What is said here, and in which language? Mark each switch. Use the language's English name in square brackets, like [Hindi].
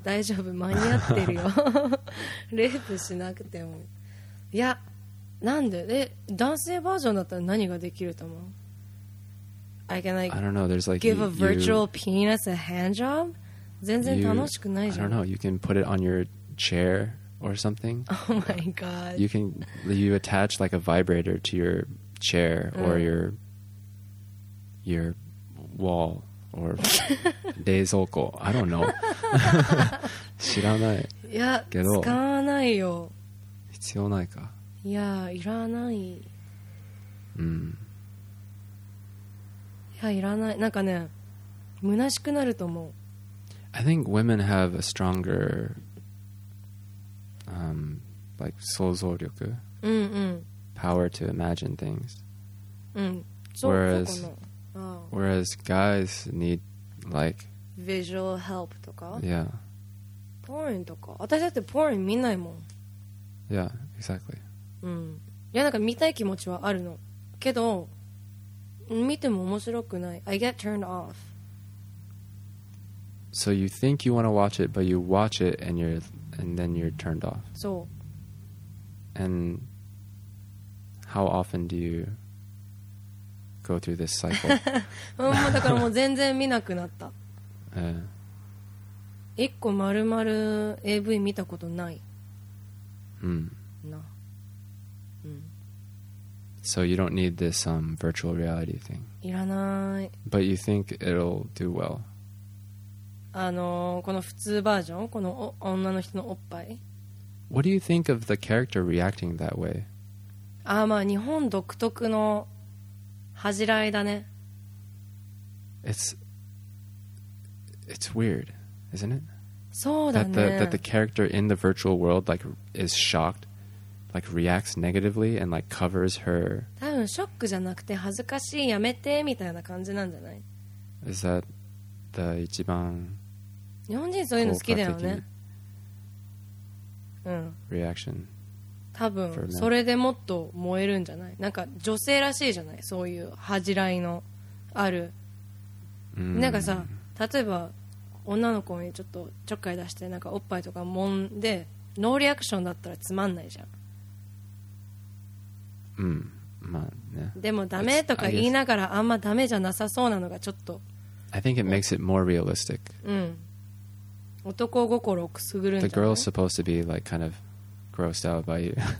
[Japanese] 大丈夫、間に合ってるよ。レイプしなくても。いや、なんで？え、男性バージョンだったら何ができると思う？ [English] I can like, I don't know, there's like give a virtual penis a hand job? [Japanese] 全然楽しくないじゃん。 [English] I don't know, you can put it on your chair. Or something. Oh my god. You attach like a vibrator to your chair or your wall or deizoko. I don't know. [Japanese] 知らない。いや、使わないよ。必要ないか。いや、いらない。いや、いらない。なんかね、虚しくなると思う。 [English] I think women have a stronger. Like [Japanese] 想像力、 [English] power to imagine things、whereas guys need like visual help とか、 yeah. [Japanese] ポーンとか、私だってポーン見ないもん。 [English] Yeah, exactly、 [Japanese] いや、なんか見たい気持ちはあるのけど、見ても面白くない。 [English] I get turned off. So you think you want to watch it, but you watch it and you're, and then you're turned off. [Japanese] そう。 [English] And how often do you go through this cycle? [Japanese] だからもう全然見なくなった。一個まるまる AV 見たことない。うん。な。 [English] So you don't need this、virtual reality thing. [Japanese] いらない。 [English] But you think it'll do well. [Japanese] この普通バージョン、この女の人のおっぱい。 [English] What do you think of the character reacting that way? [Japanese] まあ日本独特の恥じらいだね。 [English] It's weird, isn't it? [Japanese] そうだね。 [English] That the character in the virtual world like is shocked. Like reacts negatively and like covers her. [Japanese] 多分ショックじゃなくて恥ずかしいやめてみたいな感じなんじゃない。 [English] Is that the 一番 [Japanese] 日本人そういうの好きだよね。うん。 [English] Reaction. [Japanese] 多分それでもっと燃えるんじゃない。なんか女性らしいじゃない。そういう恥じらいのある。 Mm. なんかさ、例えば女の子にちょっとちょっかい出してなんかおっぱいとか揉んでノーリアクションだったらつまんないじゃん。うん、まあね。でもダメとか言いながらあんまダメじゃなさそうなのがちょっと。 [English] I think it makes it more realistic. [Japanese] うん。男心をくすぐるんじゃない。 [English] The girl's supposed to be like kind of grossed out by you.